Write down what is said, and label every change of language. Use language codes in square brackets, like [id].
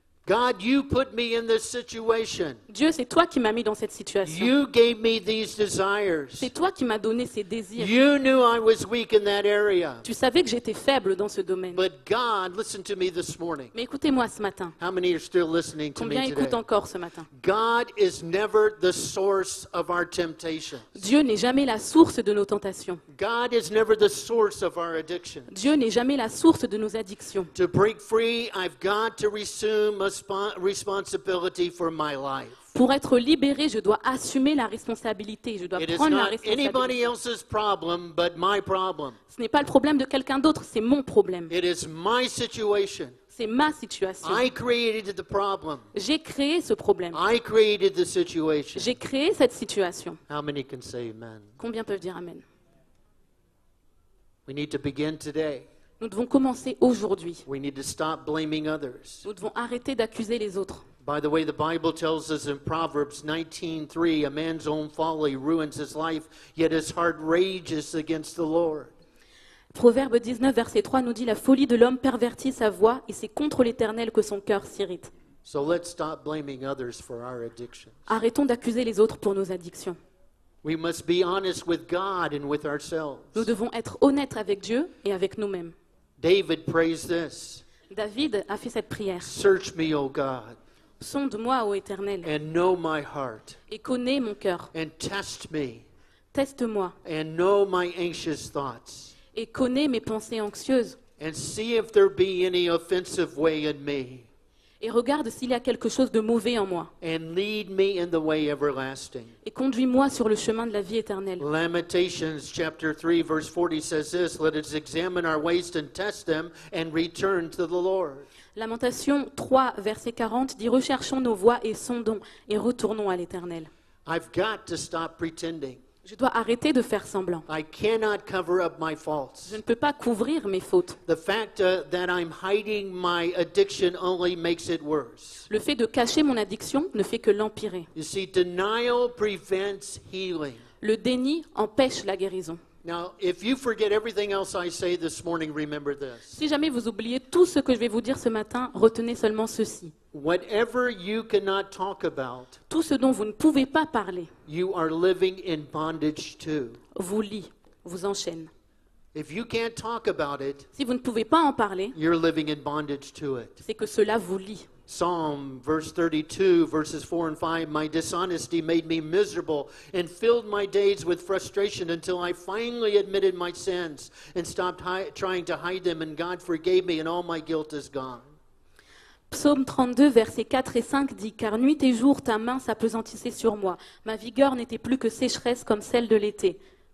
[en] God, you put me in this situation. [fr] Dieu, c'est toi qui m'as mis dans cette situation. [en] You gave me these desires. [fr] C'est toi qui m'as donné ces désirs. [en] You knew I was weak in that area. [fr] Tu savais que j'étais faible dans ce domaine. [en] But God, listen to me this morning. [fr] Mais écoutez-moi ce matin. [en] How many are still listening to me today? [fr] Combien écoutent encore ce matin? [en] God is never the source of our temptations. [fr] Dieu n'est jamais la source de nos tentations. [en] God is never the source of our addictions. [fr] Dieu n'est jamais la source de nos addictions. [en] To break free, I've got to resume a responsibility for my life. [fr] Pour être libéré, je dois assumer la responsabilité. Je dois [en] it [fr] prendre [en] is not [fr] la responsabilité. [en] Anybody else's problem, but my problem. [fr] Ce n'est pas le problème de quelqu'un d'autre, c'est mon problème. [en] It is my situation. [fr] C'est ma situation. [en] I created the problem. [fr] J'ai créé ce problème. [en] I created the situation. [fr] J'ai créé cette situation. [en] How many can say amen? [fr] Combien peuvent dire amen? [en] We need to begin today. [fr] Nous devons commencer aujourd'hui. [en] We need to stop blaming others. [fr] Nous devons arrêter d'accuser les autres. [en] By the way, the Bible tells us in Proverbs 19:3, a man's own folly ruins his life, yet his heart rages against the Lord. [fr] Proverbe 19 verset 3 nous dit la folie de l'homme pervertit sa voie et c'est contre l'Éternel que son cœur s'irrite. [en] So let's stop blaming others for our addictions. [fr] Arrêtons d'accuser les autres pour nos addictions. [en] We must be honest with God and with ourselves. [fr] Nous devons être honnêtes avec Dieu et avec nous-mêmes. [en] David prays this. [fr] David a fait cette prière. [en] Search me, O God. [fr] Sonde-moi, ô Éternel. [en] And know my heart. [fr] Et connais mon cœur. [en] And test me. [fr] Teste-moi. [en] And know my anxious thoughts. [fr] Et connais mes pensées anxieuses. [en] And see if there be any offensive way in me. [fr] Et regarde s'il y a quelque chose de mauvais en moi. [en] And lead me in the way everlasting. [fr] Et conduis-moi sur le chemin de la vie éternelle. [en] Lamentations chapter 3 verse 40 says this, let us examine our ways and test them and return to the Lord. [fr] Lamentations 3 verset 40 dit recherchons nos voies et sondons et retournons à l'Éternel. [en] I've got to stop pretending. [fr] Je dois arrêter de faire semblant. [en] I cannot cover up my faults. [fr] Je ne peux pas couvrir mes fautes. [en] The fact that I'm hiding my addiction only makes it worse. [fr] Le fait de cacher mon addiction ne fait que l'empirer. [en] You see, denial prevents healing. [fr] Le déni empêche la guérison. [en] Now, if you forget everything else I say this morning, remember this. [fr] Si jamais vous oubliez tout ce que je vais vous dire ce matin, retenez seulement ceci. [en] Whatever you cannot talk about, [fr] tout ce dont vous ne pouvez pas parler, [en] you are living in bondage to. [fr] Vous lie, vous enchaîne. [en] If you can't talk about it, [fr] si vous ne pouvez pas en parler, [en] you're living in bondage to it. [fr] C'est que cela vous lie. [en] Psalm verse 32, verses 4 and 5, my dishonesty made me miserable and filled my days with frustration until I finally admitted my sins and stopped trying to hide them, and God forgave me and all my guilt is gone. [fr] Psaume 32, versets 4 et 5 dit « Car nuit et jour, ta main s'appesantissait sur moi. Ma vigueur n'était plus que sécheresse comme celle de l'été. »